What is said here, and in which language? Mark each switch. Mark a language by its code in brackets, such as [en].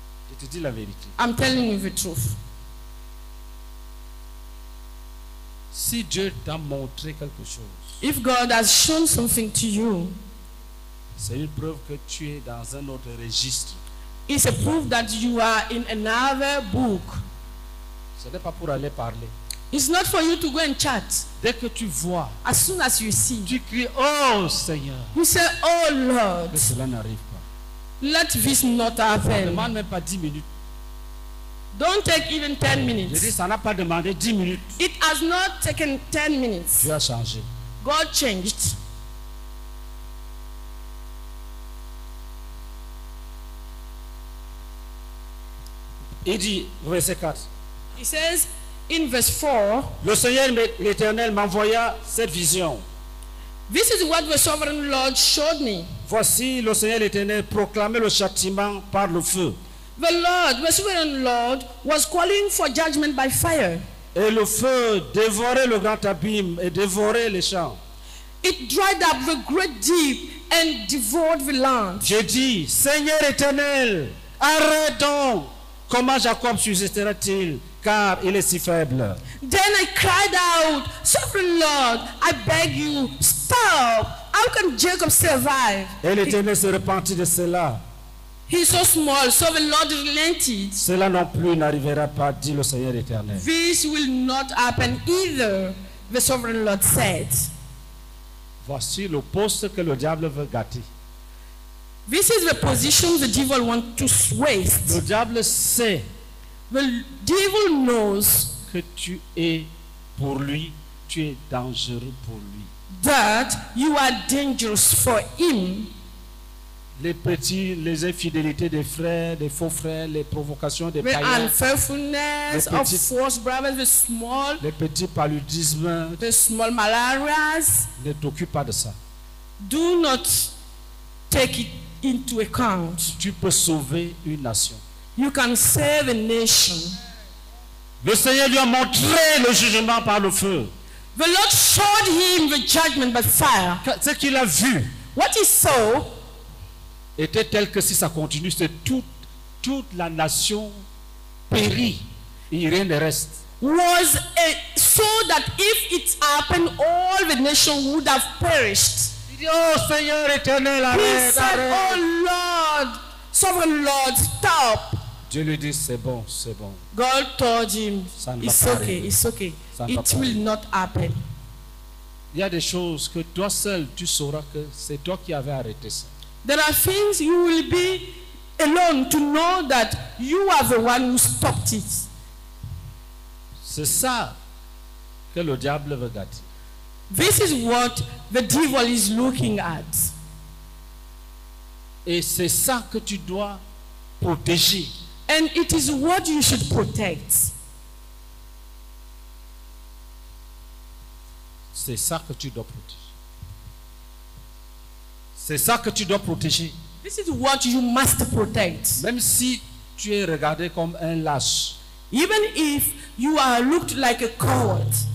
[fr] Je te dis la vérité. [en] I'm telling you the truth. [fr] Si Dieu t'a montré quelque chose, [en] if God has shown something to you, [fr] c'est une preuve que tu es dans un autre registre. [en] It's a proof that you are in another book. [fr] Ce n'est pas pour aller parler. [en] It's not for you to go and chat. [fr] Dès que tu vois, [en] as soon as you see, [fr] tu cries, oh Seigneur. [en] You say, oh Lord. [fr] Que cela n'arrive pas. [en] Let this not happen. [fr] Ne demande même pas 10 minutes. [en] Don't take even 10 minutes. [fr] Je dis, ça n'a pas demandé 10 minutes. [en] It has not taken 10 minutes. [fr] Dieu a changé. [en] God changed. [fr] Il dit, verset 4. [en] He says in verse 4. [fr] Le Seigneur l'Éternel m'envoya cette vision. [en] This is what the sovereign Lord showed me. [fr] Voici, le Seigneur l'Éternel proclamait le châtiment par le feu. [en] The Lord, the sovereign Lord, was calling for judgment by fire. [fr] Et le feu dévorait le grand abîme et dévorait les champs. [en] It dried up the great deep and devoured the land. [fr] Je dis, Seigneur Éternel, arrête donc. Comment Jacob subsistera-t-il, car il est si faible? [en] Then I cried out, Sovereign Lord, I beg you, stop. How can Jacob survive? [fr] Et l'Éternel se repentit de cela. [en] He's so small, so the Lord relented. [fr] Cela non plus n'arrivera pas, dit le Seigneur Éternel. [en] This will not happen either, the Sovereign Lord said. [fr] Voici le poste que le diable veut gâter. [en] This is the position the devil wants to waste. [fr] Le diable sait. [en] The devil knows [fr] que tu es pour lui, tu es dangereux pour lui. [en] That you are dangerous for him. [fr] Les petits, les infidélités des frères, des faux frères, les provocations des [en] païens. The unfaithfulness of false brothers, the small. [fr] Les petits paludismes. [en] The small malarias. [fr] Ne t'occupe pas de ça. [en] Do not take it into account. [fr] Tu peux sauver une nation. [en] You can save a nation. [fr] Le Seigneur lui a montré le jugement par le feu. [en] The Lord showed him the judgment by fire. [fr] Ce qu'il a vu. [en] What he saw [fr] était tel que si ça continue, c'est toute la nation périt et rien ne reste. [en] Was a, so that if it happened, all the nation would have perished. [fr] Oh Seigneur Éternel, arrête. [en] He said, [fr] arrête. [en] Oh Lord, Sovereign Lord, stop. [fr] Dieu lui dit, c'est bon. [en] God told him, it's okay. It will not happen. [fr] Il y a des choses que toi seul tu sauras que c'est toi qui avais arrêté ça. [en] There are things you will be alone to know that you are the one who stopped it. [fr] C'est ça que le diable veut garder. [en] This is what the devil is looking at. [fr] Et c'est ça que tu dois protéger. [en] And it is what you should protect. [fr] C'est ça que tu dois protéger. C'est ça que tu dois protéger. [en] This is what you must protect. [fr] Même si tu es regardé comme un lâche. [en] Even if you are looked like a coward.